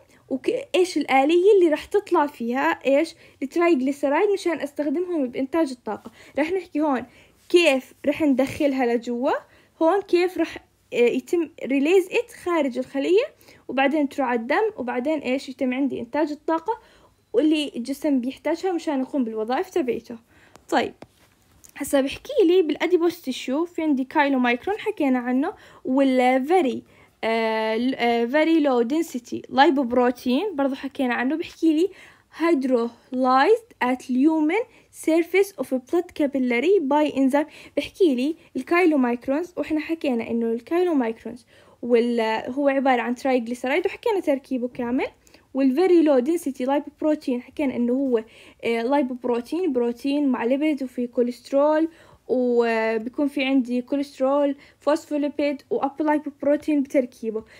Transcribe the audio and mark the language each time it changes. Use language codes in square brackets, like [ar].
[ar] وإيش الآلية اللي رح تطلع فيها إيش الترايغليسرايد مشان أستخدمهم بإنتاج الطاقة؟ رح نحكي هون كيف رح ندخلها لجوا، هون كيف رح يتم ريليز ات خارج الخلية، وبعدين تروح الدم، وبعدين ايش يتم عندي انتاج الطاقة واللي الجسم بيحتاجها مشان يقوم بالوظائف تبعيته. طيب هسا بحكي لي بالأديبوس تيشو في عندي كايلو مايكرون حكينا عنه، والفري فري لو دنسيتي لايبوبروتين برضو حكينا عنه. بحكي لي [en] hydrolyzed at lumen surface of a blood capillary by enzyme. [ar] بحكي لي الكايلومايكرونز، واحنا حكينا انه الكايلومايكرونز هو عبارة عن ترايغليسرايد وحكينا تركيبه كامل، والفيري لو دنسيتي لايبوبروتين حكينا انه هو لايبوبروتين بروتين مع ليبيد وفي كوليسترول، وبيكون في عندي كوليسترول فوسفوليبيد وابولايبوبروتين بتركيبه.